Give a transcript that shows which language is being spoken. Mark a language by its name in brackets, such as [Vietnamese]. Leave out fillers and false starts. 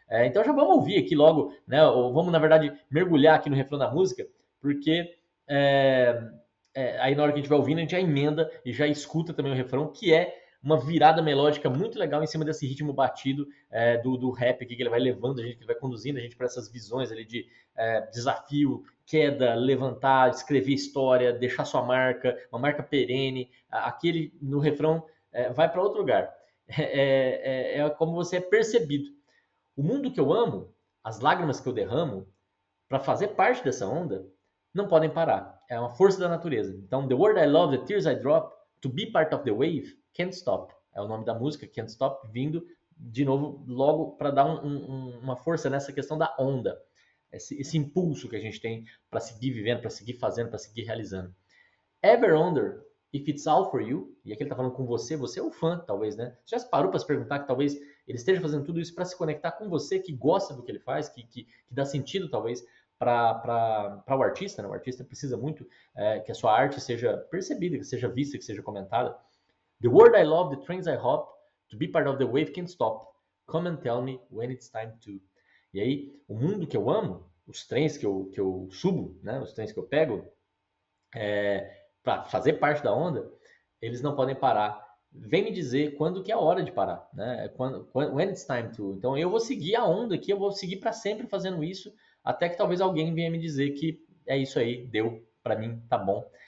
[Portuguese] Então já vamos ouvir aqui logo, né? Ou vamos, na verdade, mergulhar aqui no refrão da música, porque aí na hora que a gente vai ouvindo, a gente já emenda e já escuta também o refrão, que é uma virada melódica muito legal em cima desse ritmo batido do rap aqui, que ele vai levando a gente, que ele vai conduzindo a gente para essas visões ali de desafio, queda, levantar, escrever história, deixar sua marca, uma marca perene. Aqui ele, no refrão, vai para outro lugar. É como você é percebido. O mundo que eu amo, as lágrimas que eu derramo, para fazer parte dessa onda, não podem parar. É uma força da natureza. Então, [English] the world I love, the tears I drop, to be part of the wave, can't stop. [Portuguese] É o nome da música, can't stop, vindo de novo, logo, para dar uma força nessa questão da onda. Esse impulso que a gente tem para seguir vivendo, para seguir fazendo, para seguir realizando. [English] Ever under, if it's all for you, [Portuguese] e aqui ele está falando com você, você é o fã, talvez, né? Você já parou para se perguntar que talvez ele esteja fazendo tudo isso para se conectar com você, que gosta do que ele faz, que dá sentido, talvez, para o artista, né? O artista precisa muito que a sua arte seja percebida, que seja vista, que seja comentada. [English] The world I love, the trains I hop, to be part of the wave can't stop. Come and tell me when it's time to. [Portuguese] E aí, o mundo que eu amo, os trens que eu subo, né? Os trens que eu pego, para fazer parte da onda, eles não podem parar. Vem me dizer quando que é a hora de parar, né? [English] When it's time to. [Portuguese] Então eu vou seguir a onda aqui, eu vou seguir para sempre fazendo isso, até que talvez alguém venha me dizer que é isso aí, deu para mim, tá bom.